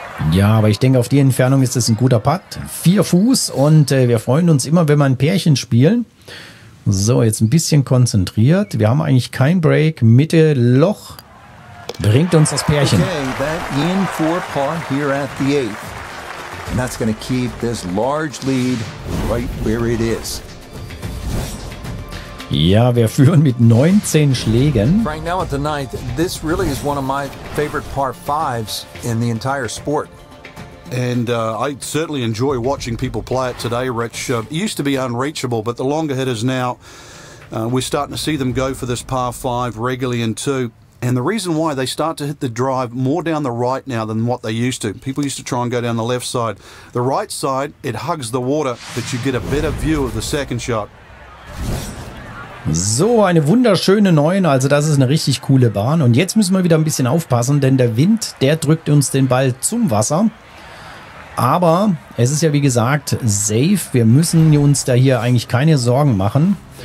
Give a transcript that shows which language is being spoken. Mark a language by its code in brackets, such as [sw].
[de] Ja, aber ich denke, auf die Entfernung ist es ein guter Putt. 4 Fuß und wir freuen uns immer, wenn wir ein Pärchen spielen. So, jetzt ein bisschen konzentriert. Wir haben eigentlich kein Break. Mitte Loch bringt uns das Pärchen. [en] Okay, that in for par here at the 8th. And that's going to keep this large lead right where it is. [de] Ja, wir führen mit 19 Schlägen. [en] Right now at the ninth, this really is one of my favorite par fives in the entire sport. And I certainly enjoy watching people play it today, Rich. It used to be unreachable, but the longer hitters now, we're starting to see them go for this par five regularly in two. And the reason why, they start to hit the drive more down the right now than what they used to. People used to try and go down the left side. The right side, it hugs the water, but you get a better view of the second shot. [de] So, eine wunderschöne 9, also das ist eine richtig coole Bahn. Und jetzt müssen wir wieder ein bisschen aufpassen, denn der Wind, der drückt uns den Ball zum Wasser. Aber es ist ja wie gesagt safe, wir müssen uns da hier eigentlich keine Sorgen machen.